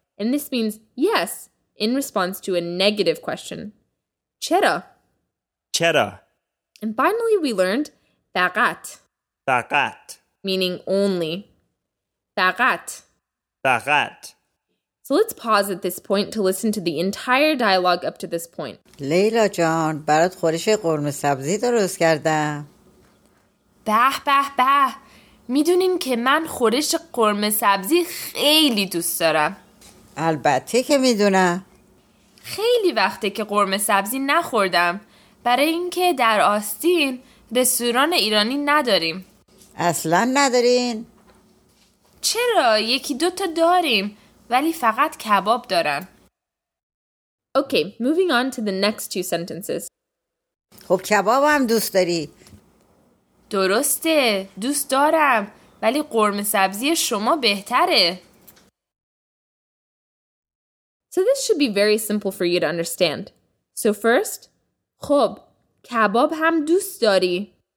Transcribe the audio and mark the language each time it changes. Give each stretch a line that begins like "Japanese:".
English: And this means yes in response to a negative question.
Persian: چرا. چرا.
English: And finally we learned فقط.
Persian: فقط.
English: Meaning only. فقط.
Persian: فقط.
English: So let's pause at this point to listen to the entire dialogue up to this point.
Persian: لیلا جان برات خورش قرمه سبزی درست کردم. به به به. میدونین که من خورش قرمه سبزی خیلی دوست دارم. البته که میدونم. خیلی وقته که قرمه سبزی نخوردم. برای اینکه در آستین رستوران ایرانی نداریم. اصلا ندارین؟ چرا؟ یکی دوتا داریم. ولی فقط کباب دارن.
English: Okay, moving on to the next two sentences.
Persian: خب کباب هم دوست داری؟ درسته، دوست دارم. ولی قرمه سبزی شما بهتره.
English: So this should be very simple for you to understand. So first,
Persian: خب، کباب هم دوست داری.